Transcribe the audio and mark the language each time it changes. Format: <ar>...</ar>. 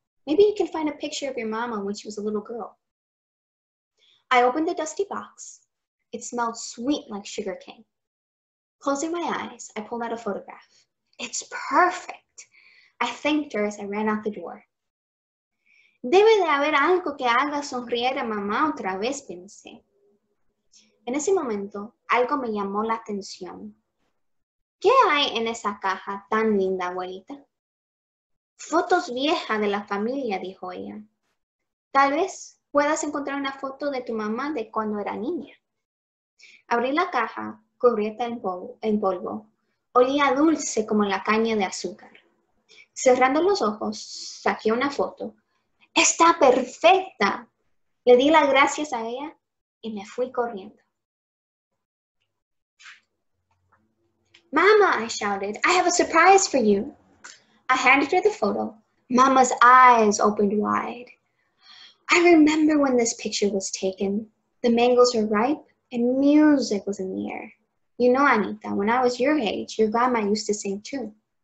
<en>Maybe you can find a picture of your mama when she was a little girl. I opened the dusty box. It smelled sweet like sugar cane. Closing my eyes, I pulled out a photograph. It's perfect. I thanked her as I ran out the door.</en> <es>Debe de haber algo que haga sonreír a mamá otra vez, pensé. En ese momento, algo me llamó la atención. ¿Qué hay en esa caja tan linda, abuelita? Fotos viejas de la familia, dijo ella. Tal vez puedas encontrar una foto de tu mamá de cuando era niña. Abrí la caja, cubierta en polvo. Olía dulce como la caña de azúcar. Cerrando los ojos, saqué una foto. ¡Está perfecta! Le di las gracias a ella y me fui corriendo.</es> <en>Mama, I shouted, I have a surprise for you. I handed her the photo. Mama's eyes opened wide. I remember when this picture was taken. The mangoes were ripe and music was in the air. You know, Anita, when I was your age, your grandma used to sing too.</en>